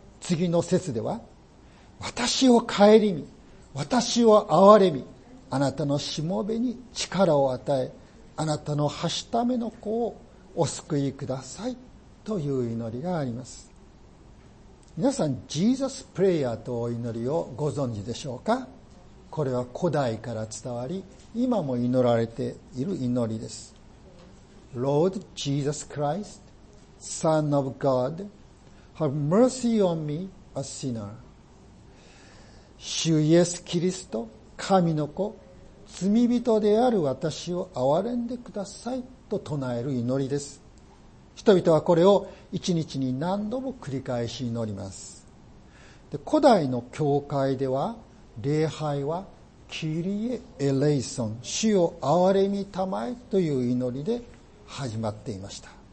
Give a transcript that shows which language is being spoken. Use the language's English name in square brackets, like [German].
[Japanese] 次の節では、私を顧み、私を憐れみ、あなたのしもべに力を与え、あなたのはしための子をお救いくださいという祈りがあります。皆さん、ジーザスプレイヤーとお祈りをご存知でしょうか。これは古代から伝わり、今も祈られている祈りです。 [English] Lord Jesus Christ, Son of God, have mercy on me, a sinner. [Japanese] 主イエスキリスト、神の子、罪人である私を憐れんでくださいと唱える祈りです。人々はこれを一日に何度も繰り返し祈ります。で、古代の教会では、礼拝は、キリエエレイソン、主を憐れみたまえという祈りで始まっていました。